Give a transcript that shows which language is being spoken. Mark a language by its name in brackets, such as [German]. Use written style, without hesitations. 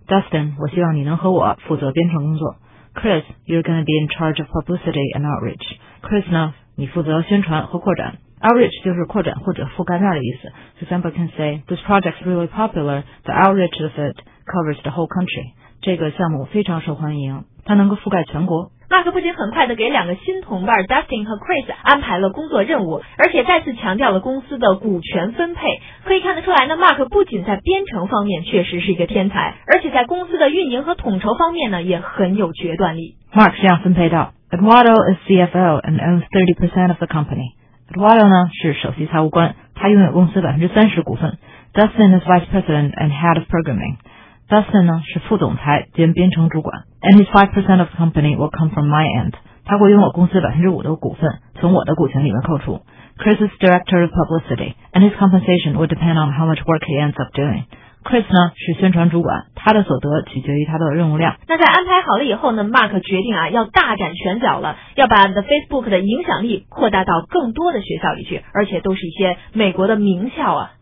[English] Dustin, [Chinese] 我希望你能和我负责编程工作。 [English] Chris, you're going to be in charge of publicity and outreach. [Chinese] Chris 呢，你负责宣传和扩展。Outreach 就是扩展或者覆盖面的意思。 [English] For example, I can say, this project is really popular, the outreach of it covers the whole country. [Chinese] 这个项目非常受欢迎，它能够覆盖全国。 Mark 不仅很快地给两个新同伴 Dustin 和 Chris 安排了工作任务，而且再次强调了公司的股权分配。可以看得出来呢 ,Mark 不仅在编程方面确实是一个天才，而且在公司的运营和统筹方面呢也很有决断力。 [English] Mark [Chinese] 这样分配道， [English] Eduardo is CFO and owns 30% of the company. [Chinese] Eduardo 呢是首席财务官，他拥有公司30%股份。 [English] Dustin is vice president and head of programming. [Chinese] Dustin 呢是副总裁兼编程主管。 [English] And his 5% of the company will come from my end. [Chinese] 他会拥有公司5%的股份，从我的股权里面扣除。 [English] Chris is director of publicity, and his compensation will depend on how much work he ends up doing. [Chinese] Chris 呢是宣传主管，他的所得取决于他的任务量。那在安排好了以后呢 ，Mark 决定啊要大展拳脚了，要把 The Facebook 的影响力扩大到更多的学校里去，而且都是一些美国的名校啊。